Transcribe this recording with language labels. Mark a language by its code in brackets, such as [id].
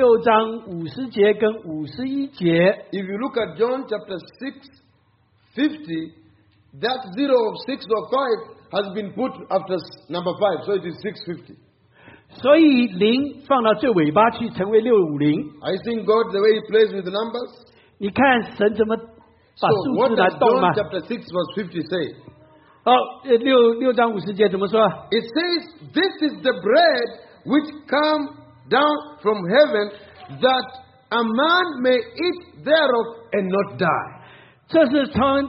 [zh] 同样的，约翰福音第六章50节跟51节。 [en] If you look at John chapter 6, 50, that zero of 6 or 5 has been put after number 5, so it is 650. [zh] 所以0放到最尾巴去成为650。 [en] I think God, the way He plays with the numbers. [zh] 你看神怎么把数字来动吗？ [en] So what does John chapter 6, verse 50 say? [zh] 好，六章五十节怎么说？ [en] It says, this is the bread which come down from heaven, that a man may eat thereof and not die.